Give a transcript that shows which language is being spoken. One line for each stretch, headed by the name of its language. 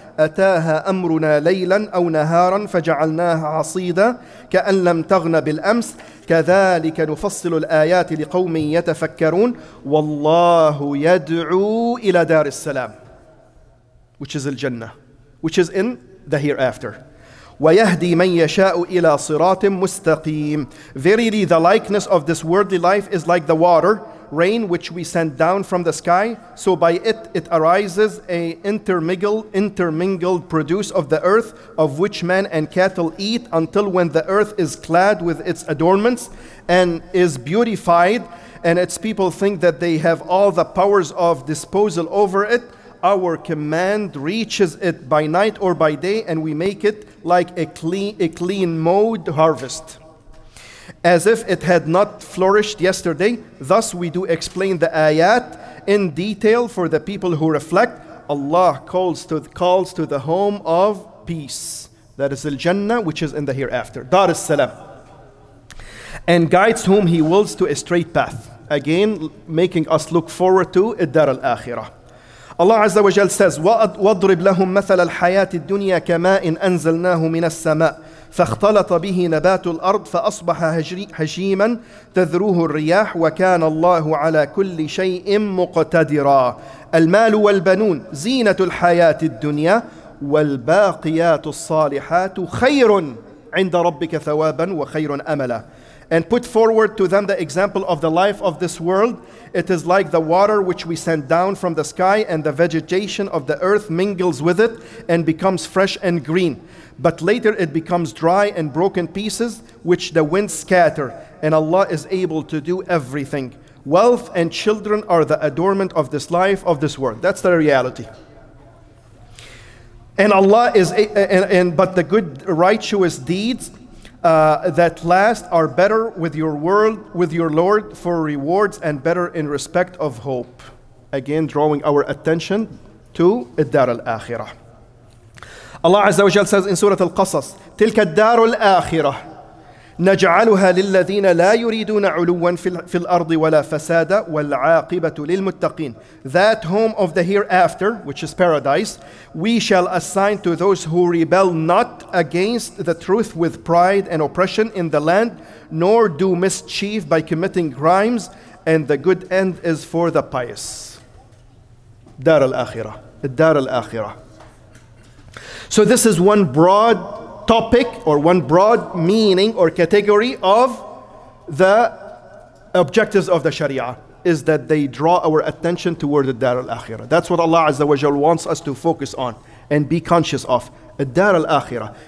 Arabic: أَتَاهَا أَمْرُنَا لَيْلًا أَوْ نَهَارًا فَجَعَلْنَاهَا حَصِيدًا كَأَن لَّمْ تَغْنَ بِالْأَمْسِ كَذَلِكَ نُفَصِّلُ الْآيَاتِ لِقَوْمٍ يَتَفَكَّرُونَ وَاللَّهُ يَدْعُو إِلَى دَارِ السَّلَامِ
English: which is al-Jannah, which is in the hereafter.
Arabic: وَيَهْدِي مَنْ يَشَاءُ إِلَى صِرَاطٍ مُسْتَقِيمٍ.
English: Verily, the likeness of this worldly life is like the water, rain, which we send down from the sky. So by it, it arises a intermingled produce of the earth, of which men and cattle eat, until when the earth is clad with its adornments and is beautified, and its people think that they have all the powers of disposal over it, our command reaches it by night or by day, and we make it like a clean mowed harvest, as if it had not flourished yesterday. Thus we do explain the ayat in detail for the people who reflect. Allah calls to the home of peace, that is al-Jannah, which is in the hereafter, Dar al-Salam, and guides whom he wills to a straight path, again making us look forward to Dar al-Akhirah. Allah Azza wa Jal says,
Arabic: وَضْرِبْ لَهُمْ مَثَلَ الْحَيَاةِ الدُّنْيَا كَمَاءٍ أَنْزَلْنَاهُ مِنَ السَّمَاءِ فَاخْتَلَطَ بِهِ نَبَاتُ الْأَرْضِ فَأَصْبَحَ هَشِيمًا تَذْرُوهُ الرِّيَاحُ وَكَانَ اللَّهُ عَلَى كُلِّ شَيْءٍ مُقْتَدِرًا. المال والبنون زينة الحياة الدنيا والباقيات الصالحات خير عند ربك ثوابا وخير أملا.
English: And put forward to them the example of the life of this world. It is like the water which we send down from the sky, and the vegetation of the earth mingles with it and becomes fresh and green. But later it becomes dry and broken pieces, which the winds scatter, and Allah is able to do everything. Wealth and children are the adornment of this life of this world. That's the reality. And Allah is, but the good righteous deeds that last are better with your world, with your Lord, for rewards, and better in respect of hope. Again, drawing our attention to الدار الآخرة. Allah Azza wa Jal says in Surah Al-Qasas,
Arabic: تلك الدار الآخرة نجعلها للذين لا يريدون علوا في الأرض ولا فسادا والعاقبة للمتقين.
English: That home of the hereafter, which is paradise, we shall assign to those who rebel not against the truth with pride and oppression in the land, nor do mischief by committing crimes, and the good end is for the pious.
Arabic: دار الآخرة, الدار الآخرة.
English: So this is one broad topic, or one broad meaning or category of the objectives of the Sharia, is that they draw our attention toward the Dar al-Akhirah. That's what Allah Azza wa Jal wants us to focus on and be conscious of. The Dar al-Akhirah.